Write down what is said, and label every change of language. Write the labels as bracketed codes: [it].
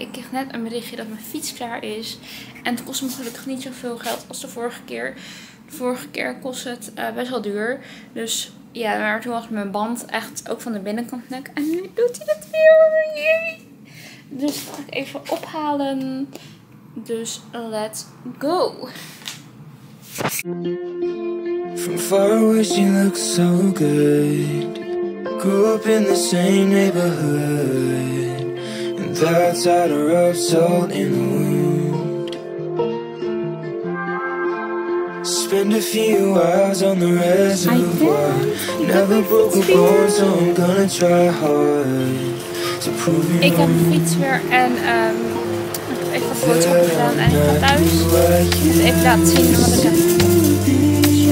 [nl] Ik kreeg net een berichtje dat mijn fiets klaar is. En het kost me gelukkig niet zoveel geld als de vorige keer. De vorige keer kost het best wel duur. Dus ja, maar toen was mijn band echt ook van de binnenkant nek. En nu doet hij dat weer. Yay! Dus dat ga ik even ophalen. Dus [en] let's go. From far away she looks so good. Grew up in the same neighborhood. And that's how to rub salt in the wound. Spend a few hours on the reservoir. Never broke a bone, so I'm gonna try hard to prove you. [nl] Ik heb een fiets weer en ik heb even een foto gedaan en ik ga thuis. Dus even laten zien wat ik heb.